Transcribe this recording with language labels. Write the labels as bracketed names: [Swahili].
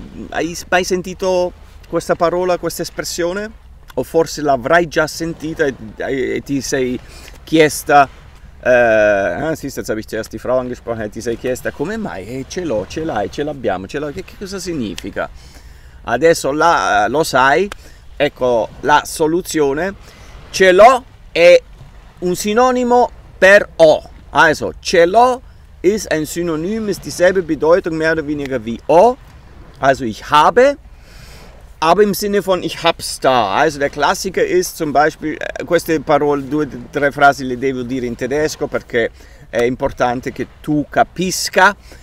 [Italian] Hai mai sentito questa parola, questa espressione? O forse l'avrai già sentita e ti sei chiesta. [German] Siehst du, jetzt habe ich zuerst die Frau angesprochen, [Italian] e ti sei chiesta come mai? Ce l'ho, ce l'hai, ce l'abbiamo, ce l'ho. Che cosa significa? Adesso lo sai, ecco la soluzione. Ce l'ho è un sinonimo per ho. Adesso ce l'ho [German] ist ein Synonym, ist dieselbe Bedeutung mehr oder weniger wie o, also ich habe, aber im Sinne von ich hab's da. Also der Klassiker ist zum Beispiel, [Italian] queste parole, due, tre frasi le devo dire in tedesco, perché è importante che tu capisca.